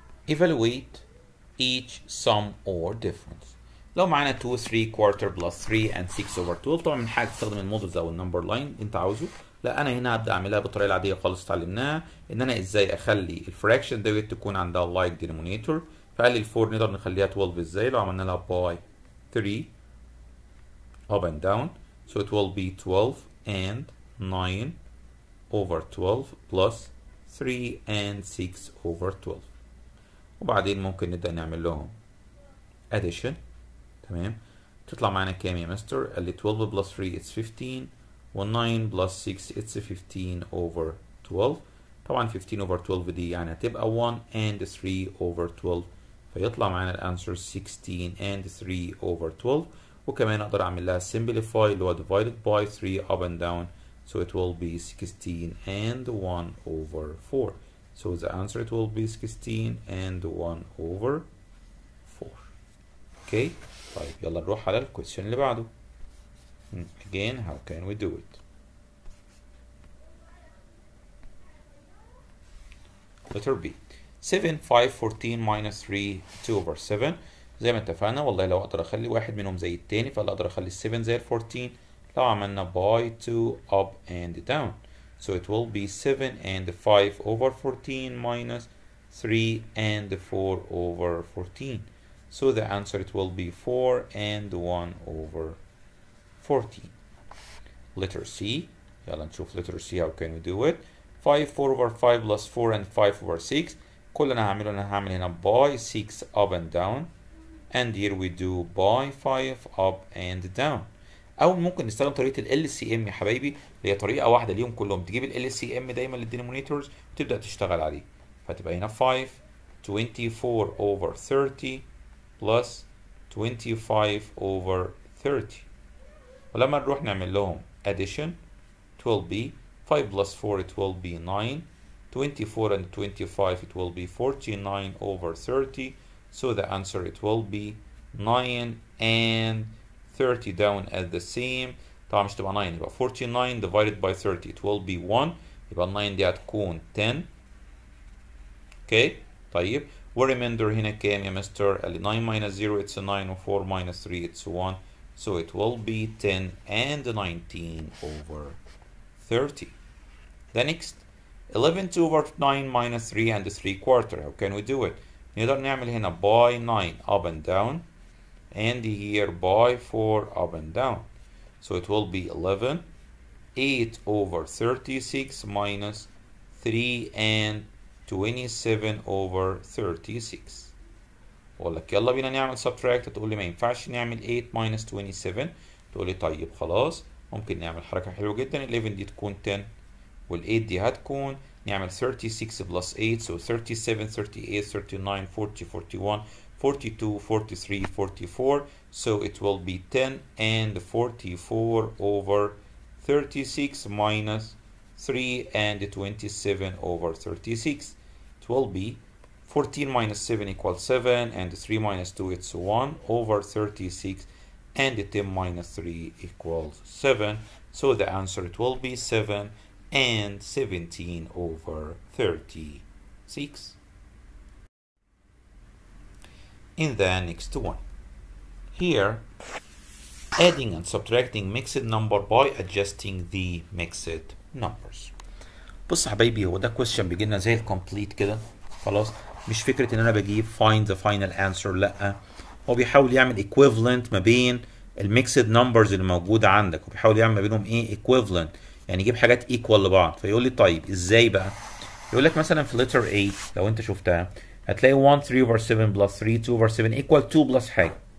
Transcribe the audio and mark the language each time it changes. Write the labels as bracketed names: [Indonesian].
[English] Evaluate each sum or difference. [Arabic] لو معانا [English] 2 3 quarter plus 3 and 6 over 12، [Arabic] طبعا من حاجة تستخدم المودلز او النمبر لاين انت عاوزه. لا انا هنا هبدأ اعملها بالطريقة العادية خالص اتعلمناها، ان انا ازاي اخلي الفراكشن ده تكون عندها لايك denominator. فقال لي ال 4 نقدر نخليها 12 ازاي؟ لو عملنا لها باي 3 [English] up and down. So it will be 12 and 9 over 12 plus 3 and 6 over 12. [Arabic] وبعدين ممكن نبدأ نعمل لهم addition. تمام تطلع معانا كام يا مستر؟ قال لي [English] 12 plus 3 it's 15 [Arabic] و [English] 9 plus 6 it's 15 over 12. [Arabic] طبعا [English] 15 over 12 [Arabic] دي يعني هتبقى [English] 1 and 3 over 12، [Arabic] فيطلع معانا الانسر [English] 16 and 3 over 12. [Arabic] وكمان اقدر اعمل لها simplify اللي هو [English] divided by 3 up and down. So it will be 16 and 1 over 4. So the answer it will be 16 and 1 over 4. [Arabic] اوكي طيب يلا نروح على الكويشن اللي بعده. [English] Again, how can we do it? Letter B. 7, 5, 14, minus 3, 2 over 7. [Arabic] زي ما اتفقنا والله لو اقدر اخلي واحد منهم زي التاني فلا اقدر اخلي 7 زي 14 لو عملنا [English] by 2 up and down. So it will be 7 and 5 over 14 minus 3 and 4 over 14. So the answer it will be 4 and 1 over 14. Letter C. [Arabic] يلا نشوف [English] letter C how can we do it. 5, 4 over 5 plus 4 and 5 over 6. [Arabic] كل انا هعمله انا هعمل هنا [English] by 6 up and down. And here we do by 5 up and down. [Arabic] او ممكن نستخدم طريقه ال LCM يا حبايبي اللي هي طريقه واحده ليهم كلهم. تجيب ال LCM دايما للدينومينيتورز وتبدا تشتغل عليه. فتبقى هنا [English] 5 24 over 30 plus 25 over 30. [Arabic] ولما نروح نعمل لهم [English] addition it will be 5 plus 4 it will be 9. 24 and 25 it will be 49 over 30. So the answer it will be 9 and 30 down at the same. [Arabic] طبعا مش تبقى 9 يبقى [English] 49 divided by 30 it will be 1. [Arabic] يبقى 9 دي هتكون 10. اوكي طيب و remainder هنا كام يا مستر؟ [English] 9 minus 0 it's a 9 [Arabic] و [English] 4 minus 3 it's a 1. So it will be 10 and 19 over 30. The next 11 2 over 9 minus 3 and 3 quarter. How can we do it? [Arabic] نقدر نعمل هنا [English] by 9 up and down [Arabic] and here by 4 up and down. [English] So it will be 11 8 over 36 minus 3 and 27 over 36. [Arabic] أقول لك يلا بينا نعمل subtract. تقول لي ما ينفعش نعمل [English] 8 minus 27. [Arabic] تقول لي طيب خلاص ممكن نعمل حركة حلوة جدا. 11 دي تكون 10 وال 8 دي هتكون نعمل [English] 36 plus 8 so 37 38 39 40 41 42 43 44 so it will be 10 and 44 over 36 minus 3 and 27 over 36 it will be 14 minus 7 equals 7 and 3 minus 2 it's 1 over 36 and 10 minus 3 equals 7 so the answer it will be 7 and 17 over 36. In the next one, here adding and subtracting mixed number by adjusting the mixed numbers. [Arabic] بص يا حبايبي هو ده question بيجي لنا زي الكومبليت كده خلاص مش فكره ان انا بجيب [English] find the final answer [Arabic] لا هو بيحاول يعمل equivalent ما بين الميكسد نمبرز اللي موجوده عندك وبيحاول يعمل ما بينهم ايه equivalent يعني يجيب حاجات ايكوال لبعض فيقول لي طيب ازاي بقى؟ يقول لك مثلا في letter A لو انت شفتها هتلاقي [English] 1 3 over 7 plus 3 2 over 7 equal 2 plus [Arabic] حاجه